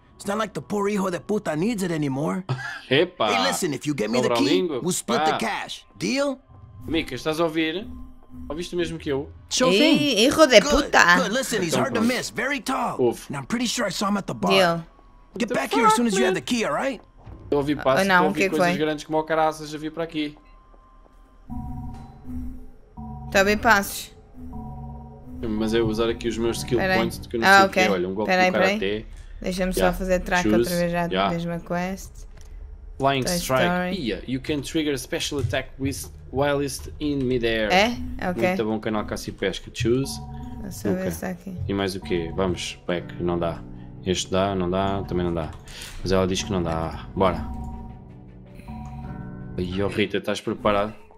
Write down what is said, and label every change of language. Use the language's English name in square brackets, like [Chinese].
[English] It's not like the poor [Spanish] hijo de puta [English] needs it anymore. Epa. Hey, listen, if you get me the key, we'll split the cash. Deal? [Portuguese] Mika, estás a ouvir? Ouviste o mesmo que eu? [English] Sure thing. [Spanish] Hijo de puta. [English] Good. Listen, he's hard to miss. Very tall. Oof. And I'm pretty sure I saw him at the bar. Deal. Get back here as soon as you have the key, all right? [Portuguese] Eu ouvi passos, eu ouvi coisas grandes como o caraças a vir para aqui. Tá bem passos. Mas eu usar aqui os meus skill points que eu não sei o que é. Olha, um golpe do karate. Deixa-me só fazer track outra vez, já a mesma quest. [English] Flying Toy Strike. Yeah, you can trigger a special attack with whilst in midair. [Portuguese] É? Ok. Muito bom canal Cassi Pesca. [English] Choose. [Portuguese] Deixa eu ver se está aqui. E mais o quê? Vamos, back. Não dá. Este dá, não dá. Também não dá. Mas ela diz que não dá. Bora. Aí, oh Rita, estás preparado?